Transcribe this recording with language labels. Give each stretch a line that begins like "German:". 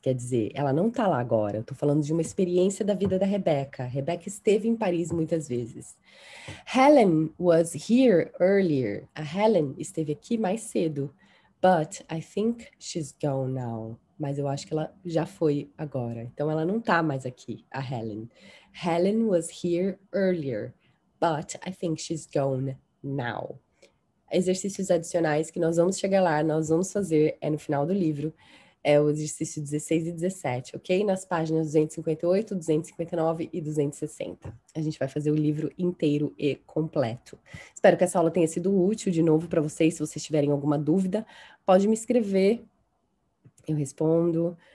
Portuguese: Quer dizer, ela não tá lá agora. Eu tô falando de uma experiência da vida da Rebecca. Rebecca esteve em Paris muitas vezes.
English: Helen was here earlier.
Portuguese: A Helen esteve aqui mais cedo.
English: But I think she's gone now.
Portuguese: Mas eu acho que ela já foi agora. Então ela não tá mais aqui, a Helen.
English: Helen was here earlier, but I think she's gone now.
Portuguese: Exercícios adicionais que nós vamos chegar lá, nós vamos fazer, é no final do livro, é o exercício 16 e 17, ok? Nas páginas 258, 259 e 260. A gente vai fazer o livro inteiro e completo. Espero que essa aula tenha sido útil de novo para vocês. Se vocês tiverem alguma dúvida, pode me escrever. Eu respondo.